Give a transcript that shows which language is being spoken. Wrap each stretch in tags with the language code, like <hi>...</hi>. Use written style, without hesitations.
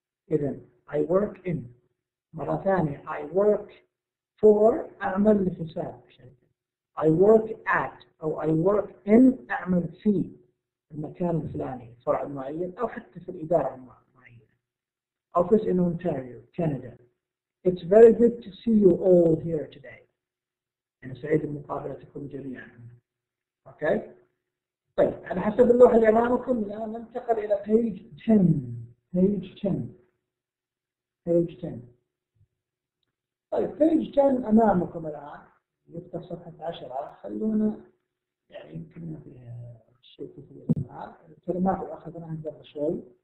<en>إذن I work in.</en> <ar>مرة ثانية</ar> <en>I work for</en> <ar>أعمل في حساب شركة.</ar> <en>I work at</en> <ar>أو</ar> <en>I work in</en> <ar>أعمل في المكان الفلاني فرع معين أو حتى في الإدارة معينة.</ar> <en>Office in Ontario, Canada. It's very good to see you all here today.</en> <ar>أنا سعيد بمقابلتكم جميعا.</ar> <en>Okay.</en> <ar>طيب على حسب اللوحة اللي أمامكم الآن ننتقل إلى page 10.</ar> <en>Page 10. Page 10.</en> <ar>طيب page 10 أمامكم الآن يفتح صفحة 10 خلونا يعني يمكننا فيها شيء كثير معاك الكلمات اللي أخذناها قبل شوي.</ar>